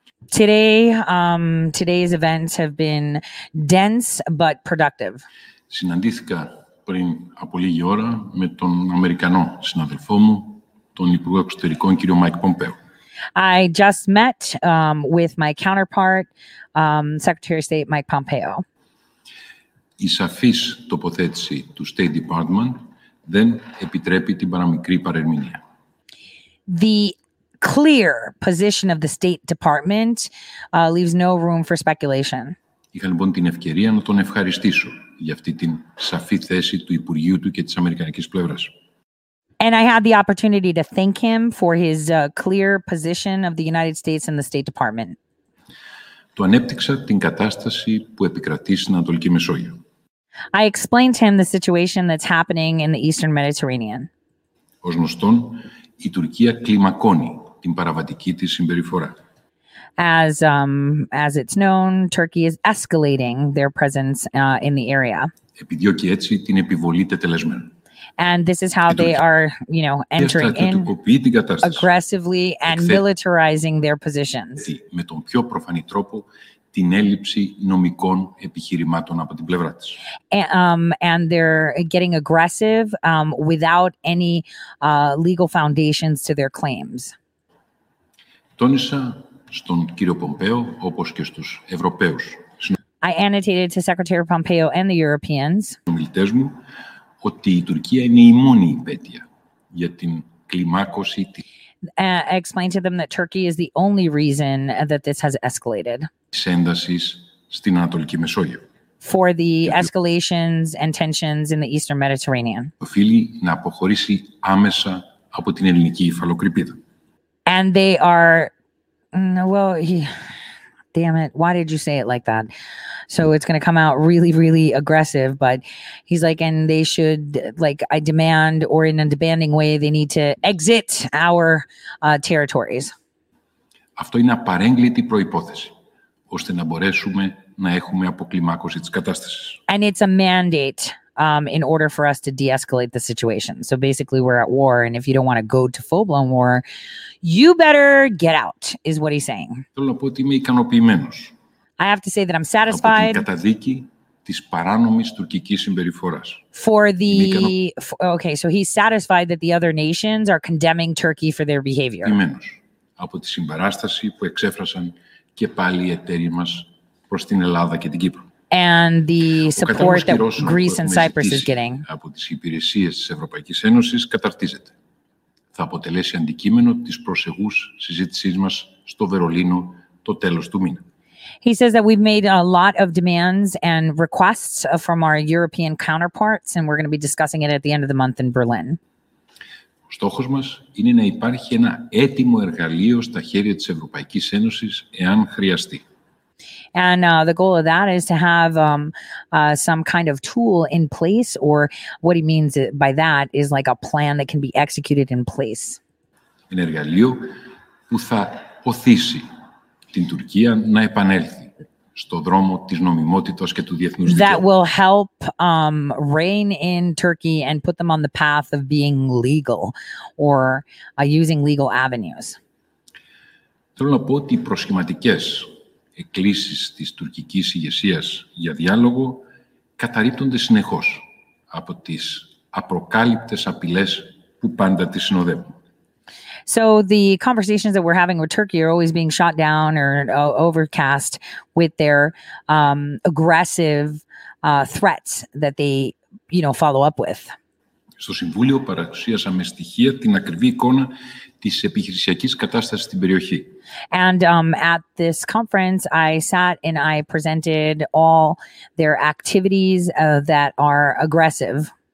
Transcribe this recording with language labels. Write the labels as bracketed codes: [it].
[en] Today's events have been dense but productive. [el] Συναντήθηκα πριν από λίγη ώρα με τον Αμερικανό συναδελφό μου, τον Υπουργό Εξωτερικών, κύριο Μάικ Πομπέο. [en] I just met with my counterpart, Secretary of State Mike Pompeo. [el] Η σαφής τοποθέτηση του State Department δεν επιτρέπει την παραμικρή παρερμηνία. [en] The clear position of the State Department leaves no room for speculation. [el] Είχα λοιπόν την ευκαιρία να τον ευχαριστήσω για αυτή την σαφή θέση του Υπουργείου του και της Αμερικανικής πλευράς. [en] And I had the opportunity to thank him for his clear position of the United States and the State Department. [el] Του ανέπτυξα την κατάσταση που επικρατεί στην Ανατολική Μεσόγειο. [en] I explained to him the situation that's happening in the Eastern Mediterranean. [el] Ως γνωστόν, η Τουρκία κλιμακώνει την παραβατική της συμπεριφορά. [en] As it's known, Turkey is escalating their presence in the area. [el] Επιδιώκει έτσι την επιβολή τετελεσμένων. [en] And this is how they are, you know, entering in aggressively and militarizing their positions. [el] Με τον πιο προφανή τρόπο την έλλειψη νομικών επιχειρημάτων από την πλευρά της. [en] And they're getting aggressive without any legal foundations to their claims. [el] Τόνισα στον κύριο Πομπέο, όπως και στους Ευρωπαίους. [en] I annotated to Secretary Pompeo and the Europeans. [el] Συνομιλητές μου, ότι η Τουρκία είναι η μόνη υπέτεια για την κλιμάκωση της. [en] Explained to them that Turkey is the only reason that this has escalated. [el] Ένταση στην Ανατολική Μεσόγειο. [en] For the escalations and tensions in the Eastern Mediterranean. [el] Οφείλει να αποχωρήσει άμεσα από την ελληνική υφαλοκρηπίδα. [en] And they are, well, damn it, why did you say it like that? So it's going to come out really, really aggressive, but he's like, and they should, like, I demand, or in a demanding way, they need to exit our territories. [el] Αυτό είναι απαρέγκλητη προϋπόθεση, ώστε να μπορέσουμε να έχουμε αποκλιμάκωση της κατάστασης. [en] And it's a mandate in order for us to de-escalate the situation. So basically we're at war, and if you don't want to go to full-blown war, you better get out, is what he's saying. [el] Θέλω να πω ότι είμαι ικανοποιημένος. [en] I have to say that I'm satisfied. [el] Από την καταδίκη της παράνομης τουρκικής συμπεριφοράς. [en] For the okay, so he's satisfied that the other nations are condemning Turkey for their behavior. [el] Ικανοποιημένος από τη συμπαράσταση που εξέφρασαν και πάλι οι εταίροι μας προς την Ελλάδα και την Κύπρο. [en] And the support that Greece and Cyprus is getting [el] από τις υπηρεσίες της Ευρωπαϊκής Ένωσης καταρτίζεται. Θα αποτελέσει αντικείμενο της προσεγούς συζήτησής μας στο Βερολίνο το τέλος του μήνα. [en] He says that we've made a lot of demands and requests from our European counterparts, and we're going to be discussing it at the end of the month in Berlin. [el] Στόχος μας είναι να υπάρχει ένα έτοιμο εργαλείο στα χέρια της Ευρωπαϊκής Ένωσης εάν χρειαστεί. [en] And the goal of that is to have some kind of tool in place, or what he means by that is like a plan that can be executed in place. [el] Ένα εργαλείο που θα οθήσει την Τουρκία να επανέλθει στο δρόμο της νομιμότητας και του διεθνούς δικαίου. [en] That will help rein in Turkey and put them on the path of being legal or using legal avenues. [el] Θέλω να πω ότι προσχηματικές εκκλήσεις της τουρκικής ηγεσίας για διάλογο καταρρύπτονται συνεχώς από τις απροκάλυπτες απειλές που πάντα τις συνοδεύουν. [en] So the conversations that we're having with Turkey are always being shot down or overcast with their aggressive threats that they, you know, follow up with. [el] Στο Συμβούλιο παρουσίασαμε στοιχεία την ακριβή εικόνα της επιχειρησιακής κατάστασης στην περιοχή. [en] And at this conference, I sat and I presented all their activities that are aggressive.